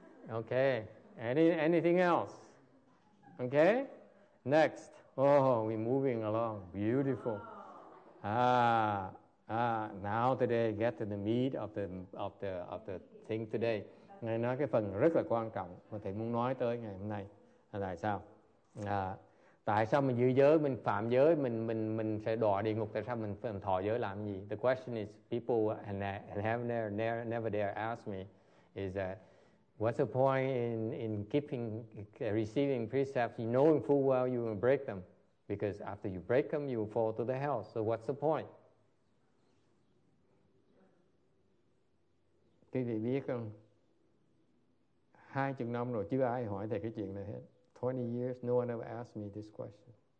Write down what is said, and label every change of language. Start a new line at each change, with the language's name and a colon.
English: Ok. Anything else? Ok. Next. Oh, we're moving along. Beautiful. Now today, get to the meat of the thing today.
Vietnamese: Ngài nói cái phần rất là quan trọng mà thầy muốn nói tới ngày hôm nay. Tại sao? Tại sao mình giữ giới, mình phạm giới, mình sẽ đọa địa ngục, tại sao mình thọ giới làm gì?
English: The question is, people have never asked me, is that what's the point in keeping receiving precepts, knowing full well you will break them, because after you break them, you will fall to the hell. So what's the point?
Vietnamese: Quý vị biết không? 20 năm rồi chưa ai hỏi thầy cái chuyện này hết.
English: 20 years, no one ever asked me this question.